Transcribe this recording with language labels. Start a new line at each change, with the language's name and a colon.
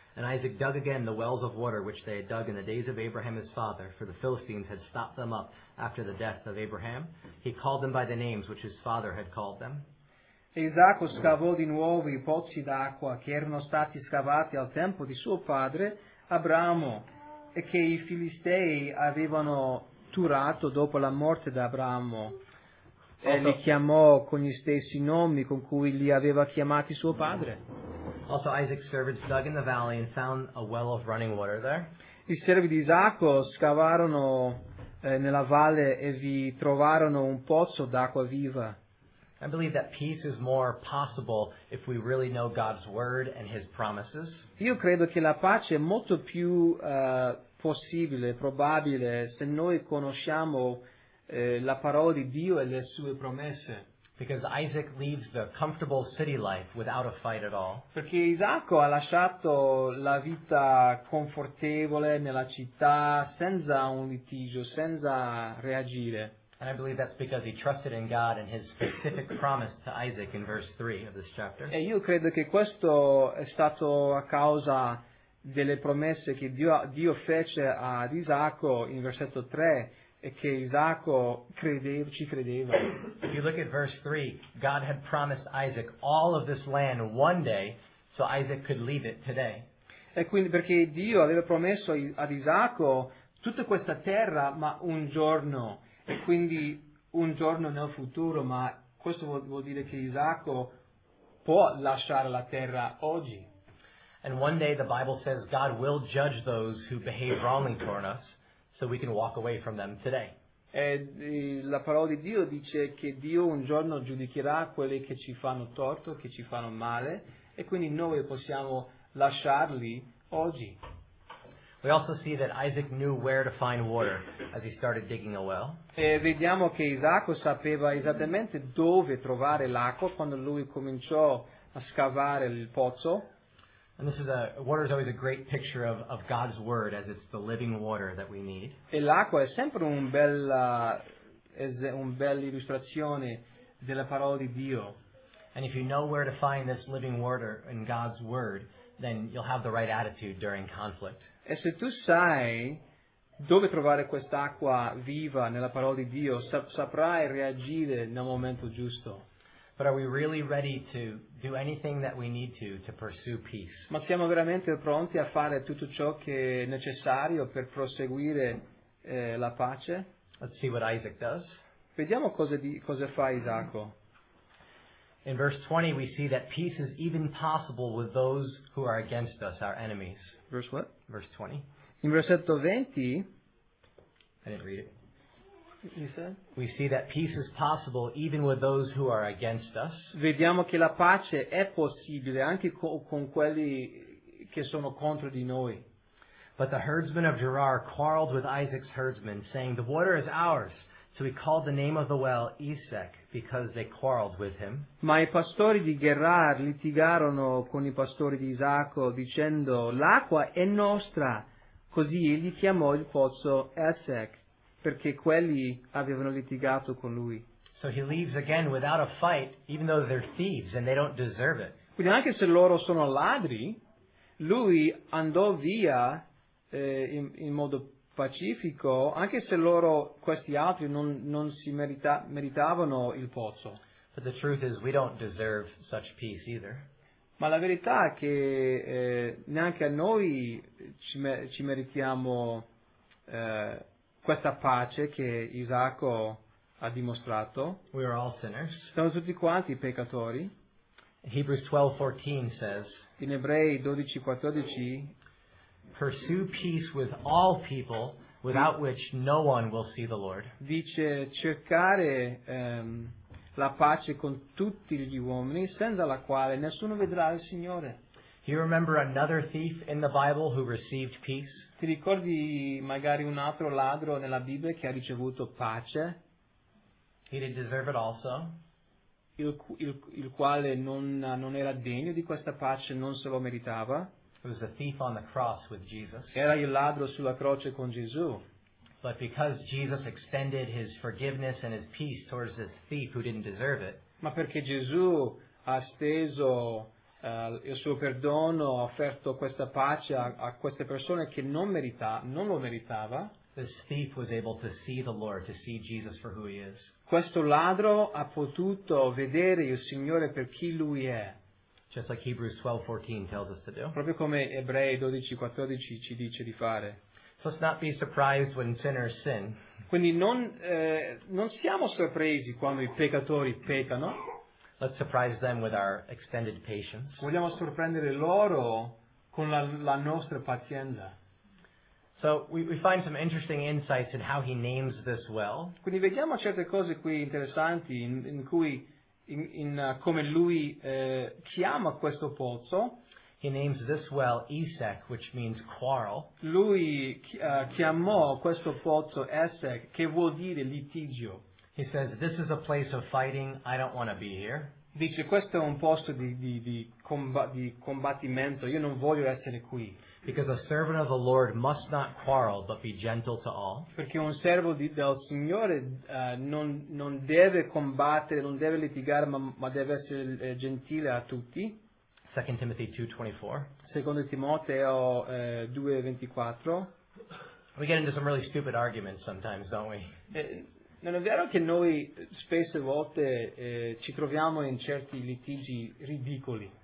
English: And Isaac dug again the wells of water which they had dug in the days of Abraham his father, for the Philistines had stopped them up after the death of Abraham. He called them by the names which his father had called them.
Italian: E Isacco scavò di nuovo i pozzi d'acqua che erano stati scavati al tempo di suo padre Abramo e che i Filistei avevano turato dopo la morte di Abramo. E li chiamò con gli stessi nomi con cui li aveva chiamati suo padre.
English: Also Isaac's servants dug in the valley and found a well of running water there.
Italian: I servi di Isacco scavarono nella valle e vi trovarono un pozzo d'acqua viva.
English: I believe that peace is more possible if we really know God's word and his promises.
Italian: Io credo che la pace è molto più possibile, probabile, se noi conosciamo la parola di Dio e le sue promesse.
English: Because Isaac leaves the comfortable city life without a fight at all.
Italian: Perché Isacco ha lasciato la vita confortevole nella città senza un litigio, senza reagire.
English: And I believe that's because he trusted in God and his specific promise to Isaac in verse 3 of this chapter.
Italian: E io credo che questo è stato a causa delle promesse che Dio fece ad Isacco in versetto 3. E che Isacco ci credeva.
English: If you look at verse 3, God had promised Isaac all of this land one day, so Isaac could leave it today.
Italian: E quindi perché Dio aveva promesso ad Isacco tutta questa terra, ma un giorno, e quindi un giorno nel futuro, ma questo vuol dire che Isacco può lasciare la terra oggi.
English: And one day the Bible says God will judge those who behave wrongly toward us. So we can walk away from them today.
Italian: E la parola di Dio dice che Dio un giorno giudicherà quelli che ci fanno torto, che ci fanno male, e quindi noi possiamo lasciarli oggi.
English: We also see that Isaac knew where to find water as he started digging a well.
Italian: E vediamo che Isacco sapeva esattamente dove trovare l'acqua quando lui cominciò a scavare il pozzo.
English: And this is water is always a great picture of God's word as it's the living water that we need.
Italian: E l'acqua è sempre un bella illustrazione della parola di Dio.
English: And if you know where to find this living water in God's word, then you'll have the right attitude during conflict.
Italian: E se tu sai dove trovare quest'acqua viva nella parola di Dio, saprai reagire nel momento giusto.
English: But are we really ready to do anything that we need to pursue peace?
Italian: Ma siamo veramente pronti a fare tutto ciò che è necessario per proseguire la pace?
English: Let's see what Isaac does.
Italian: Vediamo cosa fa Isacco.
English: In verse 20 we see that peace is even possible with those who are against us, our enemies. Verse what? Verse 20.
Italian: In versetto 20,
English: I didn't read it. You said? We see that peace is possible even with those who are against us.
Italian: Vediamo che la pace è possibile anche con quelli che sono contro di noi.
English: But the herdsmen of Gerar quarreled with Isaac's herdsmen, saying, "The water is ours." So he called the name of the well Esek, because they quarreled with him.
Italian: Ma i pastori di Gerar litigarono con i pastori di Isacco, dicendo, "L'acqua è nostra." Così egli chiamò il pozzo Esek, perché quelli avevano litigato con lui.
English: So he leaves again without a fight, even though they're thieves and they don't deserve it.
Italian: Quindi anche se loro sono ladri, lui andò via in modo pacifico, anche se loro, questi altri, non si meritavano il pozzo.
English: But the truth is, we don't deserve such peace either.
Italian: Ma la verità è che neanche a noi ci meritiamo questa pace che Isacco ha dimostrato.
English: We are all sinners.
Italian: Siamo tutti quanti peccatori.
English: Hebrews 12:14 says,
Italian: in Ebrei 12:14,
English: pursue peace with all people, without which no one will see the Lord.
Italian: Dice cercare la pace con tutti gli uomini, senza la quale nessuno vedrà il Signore.
English: You remember another thief in the Bible who received peace?
Italian: Ti ricordi magari un altro ladro nella Bibbia che ha ricevuto pace?
English: He didn't deserve it also.
Italian: Il quale non era degno di questa pace, non se lo meritava.
English: It was a thief on the cross with Jesus.
Italian: Era il ladro sulla croce con Gesù.
English: But because Jesus extended his forgiveness and his peace towards this thief who didn't deserve it.
Italian: Ma perché Gesù ha steso il suo perdono, ha offerto questa pace a queste persone che non lo meritava.
English: This thief was able to see the Lord, to see Jesus for who he is.
Italian: Questo ladro ha potuto vedere il Signore per chi lui è.
English: Just like Hebrews 12:14 tells us to do.
Italian: Proprio come Ebrei 12:14 ci dice di fare.
English: So let's not be surprised when sinners sin.
Italian: Quindi non siamo sorpresi quando i peccatori peccano.
English: Let's surprise them with our extended patience.
Italian: Vogliamo sorprendere loro con la nostra pazienza.
English: So we find some interesting insights in how he names this well.
Italian: Quindi vediamo certe cose qui interessanti in cui come lui chiama questo pozzo.
English: He names this well Esek, which means quarrel.
Italian: Lui chiamò questo pozzo Esek, che vuol dire litigio.
English: He says, "This is a place of fighting. I don't want to be here."
Italian: Dice, questo è un posto di combattimento. Io non voglio essere qui.
English: Because a servant of the Lord must not quarrel, but be gentle to all.
Italian: Perché un servo del Signore non deve combattere, non deve litigare, ma deve essere gentile a tutti.
English: 2 Timothy 2:24.
Italian: Secondo Timoteo 2:24.
English: We get into some really stupid arguments sometimes, don't we?
Italian: Non è vero che noi spesse volte ci troviamo in certi litigi ridicoli?